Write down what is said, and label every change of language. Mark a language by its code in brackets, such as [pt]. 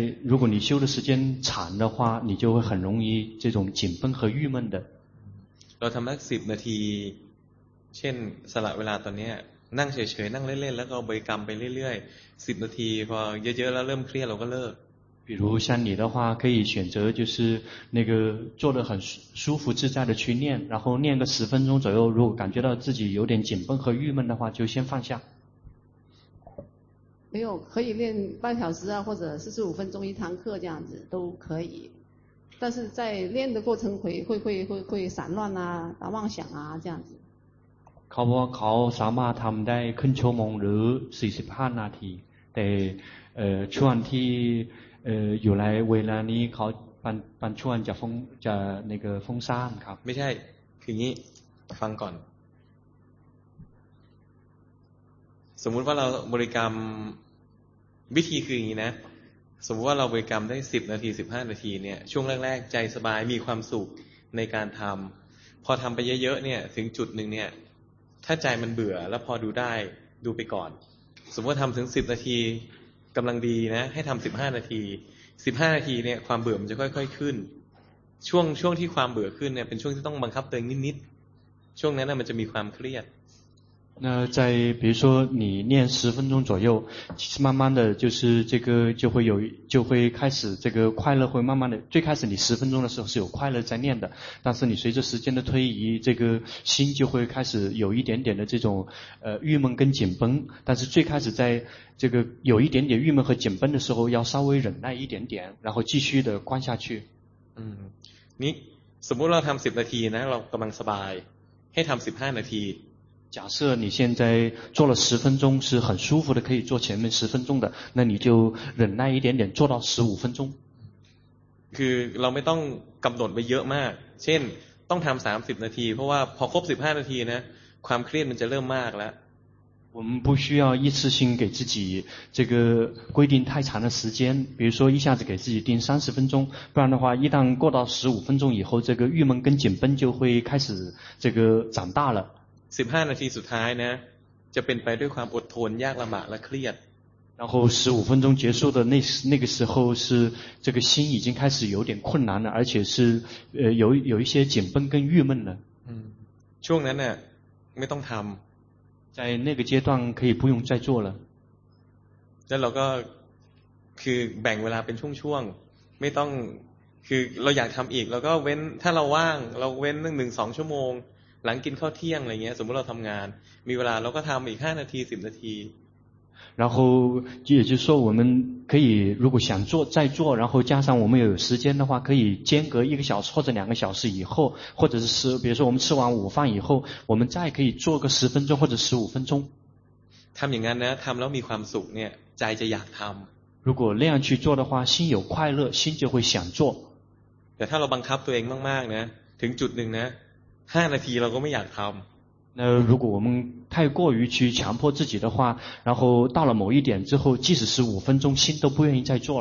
[zh] 如果你修的时间长的话你就会很容易这种紧绷和郁闷的 [th] เราทำสัก10นาทีเช่นสละเวลาตอนนี้นั่งเฉยๆนั่งเล่นๆแล้วก็บริกรรมไปเรื่อยๆ10นาทีพอเยอะๆแล้วเริ่มเครียดเราก็เลิก [zh] 比如像你的话可以选择就是那个坐得很舒服自在的去念然后念个10分钟左右如果感觉到自己有点紧绷和郁闷的话就先放下没有可以练半小时啊或者45分钟一堂课这样子都可以但是在练的过程会散乱啊打妄想啊这样子 [th] เขาสามารถทำได้ครึ่งชั่วโมงหรือ45นาทีแต่ช่วงที่อยู่ในเวลานี้เขาปันช่วงจะนั่นก็ฟุ้งซ่านครับ ไม่ใช่คืออย่างนี้ฟังก่อนสมมุติว่าเราบริกรรมวิธีคืออย่างนี้นะสมมุติว่าเราบริกรรมได้10นาที15นาทีเนี่ยช่วงแรกๆใจสบายมีความสุขในการทำพอทำไปเยอะๆเนี่ยถึงจุดหนึ่งเนี่ยถ้าใจมันเบื่อแล้วพอดูได้ดูไปก่อนสมมุติว่าทำถึง10นาที กำลังดีนะให้ทำ15นาที15นาทีเนี่ยความเบื่อมันจะค่อยๆขึ้นช่วงที่ความเบื่อขึ้นเนี่ยเป็นช่วงที่ต้องบังคับตัวเองนิดๆช่วงนั้นน่ะมันจะมีความเครียด [zh] 那在比如说你念十分钟左右，其实慢慢的就是这个就会开始这个快乐会慢慢的。最开始你十分钟的时候是有快乐在念的，但是你随着时间的推移，这个心就会开始有一点点的这种郁闷跟紧绷。但是最开始在这个有一点点郁闷和紧绷的时候，要稍微忍耐一点点，然后继续的关下去。 [th] 嗯，你สมมุติเราทำ10นาทีนะเรากำลังสบายให้ทำ15นาที [zh] 假设你现在做了十分钟是很舒服的可以做前面十分钟的那你就忍耐一点点做到十五分钟 [th] คือเราไม่ต้องกำหนดไปเยอะมากเช่นต้องทำ30นาทีเพราะว่าพอครบ15นาทีนะความเครียดมันจะเริ่มมากแล้ว [zh] 我们不需要一次性给自己这个规定太长的时间，比如说一下子给自己定30分钟，不然的话一旦过到15分钟以后，这个郁闷跟紧绷就会开始这个长大了。 [th] 15นาทีสุดท้ายนะจะเป็นไปด้วยความอดทนยากลำบากและเครียด。 [zh] 然后15分钟结束的那个时候是这个心已经开始有点困难了，而且是有一些紧绷跟郁闷了。 [th] 嗯，ช่วงนั้นเนี่ยไม่ต้องทำ。 [zh] 在那个阶段可以不用再做了。 [th] แล้วเราก็คือแบ่งเวลาเป็นช่วงๆไม่ต้องคือเราอยากทำอีกเราก็เว้นถ้าเราว่างเราเว้นตั้ง1-2 ชั่วโมงหลังกินข้าวเที่ยงอะไรเงี้ยสมมติเราทำงานมีเวลาเราก็ทำอีก5-10 นาที。 [zh] 然后也就是说我们可以如果想做再做，然后加上我们有时间的话，可以间隔1个小时或者2个小时以后，或者是比如说我们吃完午饭以后，我们再可以做个10分钟或者15分钟。 [th] ทำอย่างนั้นนะทำแล้วมีความสุขเนี่ยใจจะอยากทำ。 [zh] 如果那样去做的话，心有快乐，心就会想做。 [th] แต่ถ้าเราบังคับตัวเองมากๆนะถึงจุดหนึ่งนะ5 นาทีเราก็ไม่อยากทำ。 [zh] 那如果我们太过于去强迫自己的话，然后到了某一点之后，即使是五分钟，心都不愿意再做